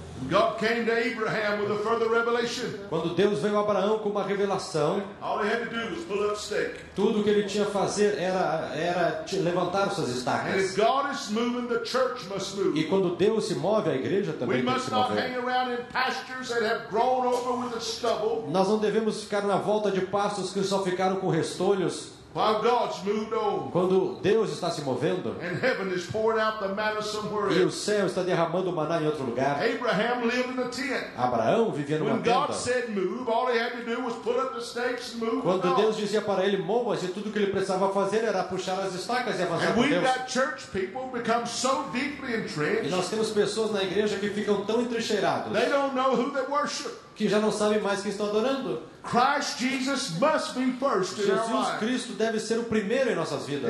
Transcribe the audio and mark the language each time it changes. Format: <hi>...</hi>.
<en>God came to Abraham with a further revelation.</en> <pt>Quando Deus veio a Abraão com uma revelação,</pt> <en>all he had to do was pull up stake.</en> <pt>Tudo que ele tinha a fazer era levantar suas estacas.</pt> <en>And if God is moving, the church must move.</en> <pt>E quando Deus se move, a igreja também tem que se mover.</pt> <en>We must not hang around in pastures that have grown over with the stubble.</en> <pt>Nós não devemos ficar na volta de pastos que só ficaram com restolhos.</pt> <en>While God's moved on,</en> <pt>quando Deus está se movendo,</pt> <en>and heaven is pouring out the manna somewhere else,</en> <pt>e o céu está derramando o maná em outro lugar,</pt> <en>Abraham lived in a tent.</en> <pt>Abraão vivia numa</pt> <en>when</en> <pt>tenda.</pt> <en>God said move, all he had to do was put up the stakes and move.</en> <pt>Quando Deus dizia para ele mova-se, tudo que ele precisava fazer era puxar as estacas e avançar com Deus.</pt> <en>And we got church people become so deeply entrenched.</en> <pt>E nós temos pessoas na igreja que ficam tão entrincheirados.</pt> <en>They don't know who they worship.</en> <pt>Que já não sabem mais quem estão adorando.</pt> <en>Christ Jesus must be first.</en> <pt>Jesus Cristo deve ser o primeiro em nossas vidas.</pt>